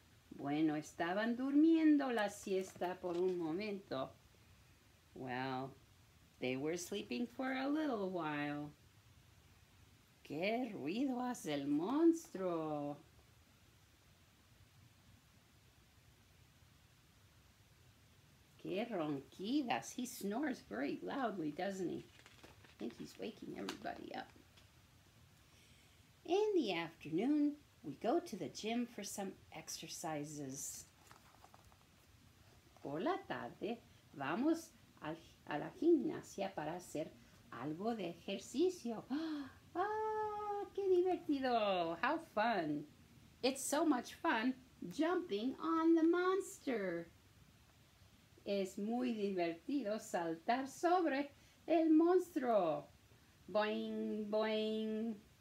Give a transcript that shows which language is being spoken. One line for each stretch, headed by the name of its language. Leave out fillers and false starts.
Spanish: Bueno, estaban durmiendo la siesta por un momento.
English: Well, they were sleeping for a little while.
Spanish: ¿Qué ruido hace el monstruo? ¡Qué ronquidas!
English: He snores very loudly, doesn't he? I think he's waking everybody up. In the afternoon, we go to the gym for some exercises.
Spanish: Por la tarde, vamos a la gimnasia para hacer algo de ejercicio. ¡Ah, qué divertido!
English: How fun! It's so much fun jumping on the monster.
Spanish: Es muy divertido saltar sobre el monstruo. Boing, boing.